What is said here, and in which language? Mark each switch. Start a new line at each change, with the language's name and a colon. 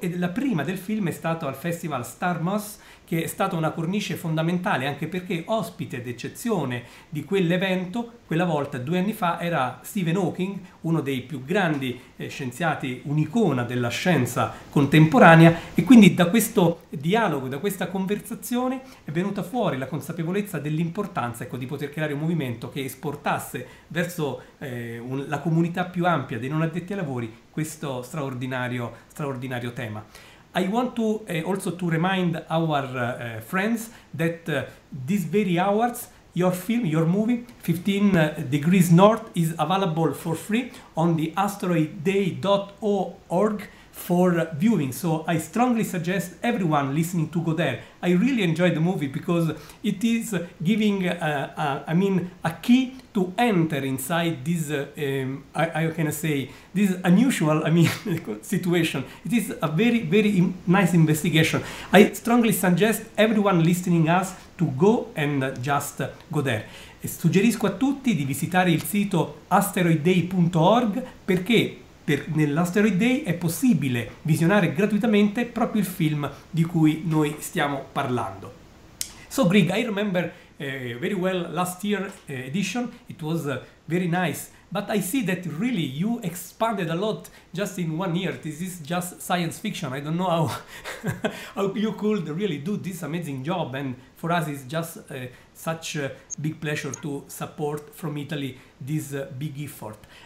Italian: E la prima del film è stata al Festival Starmus, che è stata una cornice fondamentale, anche perché ospite d'eccezione di quell'evento, quella volta 2 anni fa, era Stephen Hawking, uno dei più grandi scienziati, un'icona della scienza contemporanea. E quindi da questo dialogo, da questa conversazione, è venuta fuori la consapevolezza dell'importanza, ecco, di poter creare un movimento che esportasse verso la comunità più ampia dei non addetti ai lavori questo straordinario, straordinario tema.
English: I want to also to remind our friends that these very hours your film, your movie, 15 Degrees North, is available for free on the asteroidday.org for viewing. So I strongly suggest everyone listening to go there. I really enjoyed the movie because it is giving, a key to enter inside this, how can I say, this unusual, situation. It is a very, very nice investigation. I strongly suggest everyone listening us to go and just go there.
Italian: E suggerisco a tutti di visitare il sito asteroidday.org perché nell'Asteroid Day è possibile visionare gratuitamente proprio il film di cui noi stiamo parlando.
English: So, Greg, I remember very well last year edition. It was very nice, but I see that really you expanded a lot just in 1 year. This is just science fiction. I don't know how, how you could really do this amazing job. And for us, it's just such a big pleasure to support from Italy this big effort.